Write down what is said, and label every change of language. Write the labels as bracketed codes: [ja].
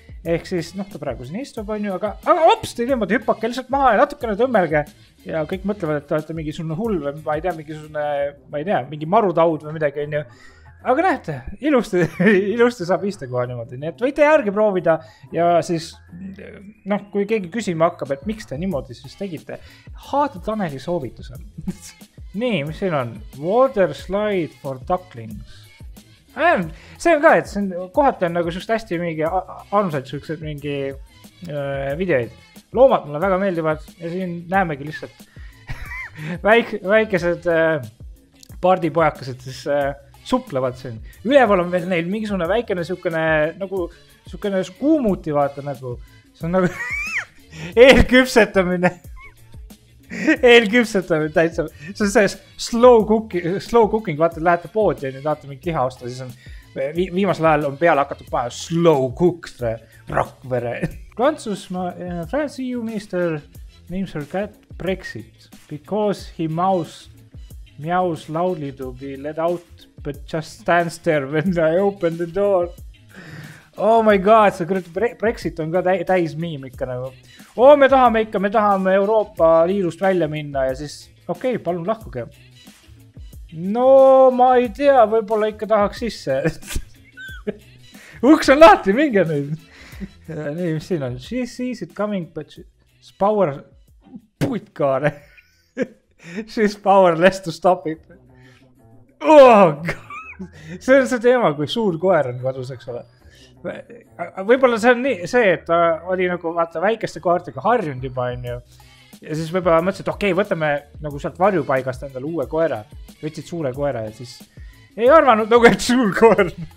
[et] ehk siis noh, ta praegu siin istub, on ju, aga ops, te niimoodi hüppake lihtsalt maha ja natukene tõmmelge ja kõik mõtlevad, et ta on mingi sunne hull või ma ei tea, mingi sunne, ma ei tea, mingi marutaud või midagi, on ju. Aga näete, ilusti saab istu kohe niimoodi, nii et võite järgi proovida ja siis, noh, kui keegi küsima hakkab, et miks te niimoodi siis tegite, haata Taneli soovituse. Nii, mis siin on? [en] Water slide for ducklings. [et] See on ka, et see on kohati on nagu sest hästi mingi armsaid sellised mingi videoid. Loomad mulle väga meeldivad ja siin näemegi lihtsalt väikesed pardipojakased, siis suplevad siin. Üleval on veel neil mingisugune väikene sellikene nagu sellikene skuumuti vaata nagu. See on nagu eelküpsetamine. Eelküpsetamine täitsa. See on see slow cooking, vaata, lähete poodi ja nüüd vaata mingi liha osta, siis on viimasel ajal on peale hakatud paha slow cookstre, Rakvere. [en] Prantsusmaa, France EU minister names her cat Brexit because he meows loudly to be let out but just stands there when I open the door. Oh my god, [et] see kõrge Brexit on ka täis meem ikka nagu. Oh, me tahame Euroopa liidust välja minna ja siis, okei, [en] okay, [et] palun lahkuge. No, ma ei tea, võibolla ikka tahaks sisse. Uks on lahti, minge nüüd. Nii, mis siin on? [en] She sees it coming, but she's powerless. [et] Puitkaare. [en] She's powerless to stop it. Oh god. [et] See on see teema, kui suur koer on kodus, eks ole. Võibolla see on nii, see, et ta oli nagu vaata väikeste koertega harjunud juba, onju. Ja siis võibolla mõtlesin, et okei, võtame nagu sealt varjupaigast endale uue koera. Võtsid suure koera ja siis ei arvanud nagu, et suur koer.